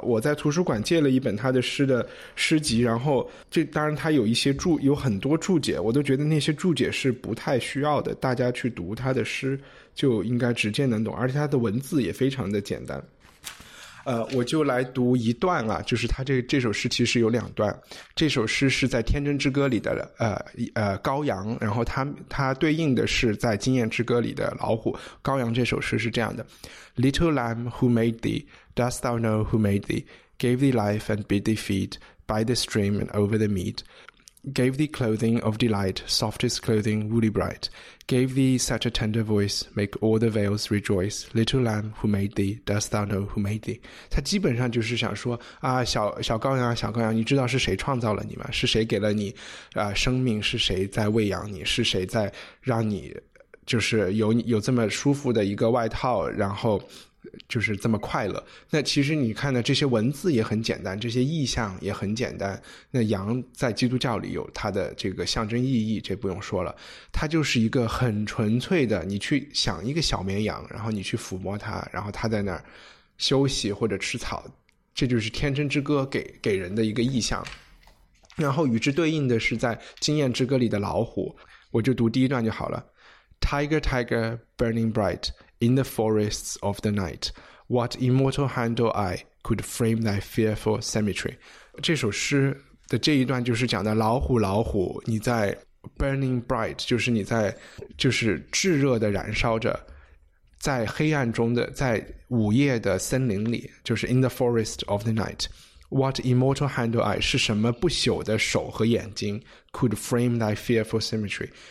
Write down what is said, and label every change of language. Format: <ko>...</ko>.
<zh>我在图书馆借了一本他的诗的诗集，然后这当然他有一些注，有很多注解，我都觉得那些注解是不太需要的，大家去读他的诗就应该直接能懂，而且他的文字也非常的简单。我就来读一段啊，就是他这首诗其实有两段，这首诗是在《天真之歌》里的羔羊，然后他对应的是在《经验之歌》里的老虎。羔羊这首诗是这样的 ：</zh> <en>Little lamb, who made thee? Dost thou know who made thee? Gave thee life and bid thee feed by the stream and over the mead. Gave thee clothing of delight, softest clothing, woolly bright. Gave thee such a tender voice, make all the vales rejoice. Little lamb, who made thee? Dost thou know who made thee?</en> <zh>他基本上就是想说啊，小羔羊，你知道是谁创造了你吗？是谁给了你生命？是谁在喂养你？是谁在让你就是有这么舒服的一个外套，然后就是这么快乐？那其实你看的这些文字也很简单，这些意象也很简单。那羊在基督教里有它的这个象征意义，这不用说了，它就是一个很纯粹的，你去想一个小绵羊，然后你去抚摸它，然后它在那儿休息或者吃草，这就是天真之歌给人的一个意象。然后与之对应的是在经验之歌里的老虎，我就读第一段就好了。</zh> <en>Tiger, tiger, burning brightIn the forests of the night, what immortal hand or eye could frame thy fearful symmetry?</en> <zh>这首诗的这一段就是讲的老虎，老虎，你在</zh> <en>burning bright,</en> <zh>就是你在就是炙热的燃烧着，在黑暗中的，在午夜的森林里，就是</zh> <en>in the forest of the night, what immortal hand or eye,</en> <zh>是什么不朽的手和眼睛</zh> <en>could frame thy fearful symmetry?</en>